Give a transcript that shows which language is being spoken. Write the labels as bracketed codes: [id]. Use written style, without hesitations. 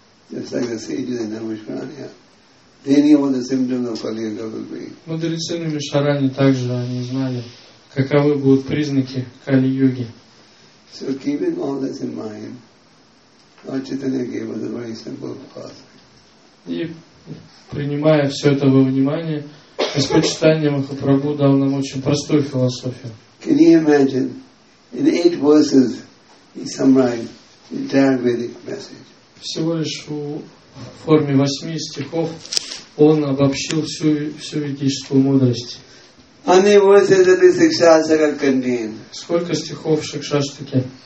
[ru] Мудрецы Намишарани также они знали, каковы будут признаки Кали-юги. И принимая все это во внимание, Господь Чайтанья Махапрабху дал нам очень простую философию. [en] Can you imagine, in eight verses, he summarized the entire Vedic message. [ru] Всего лишь в форме восьми стихов он обобщил всю ведическую мудрость. А не 80 шикшастака кандин. Сколько стихов в шикшастаке?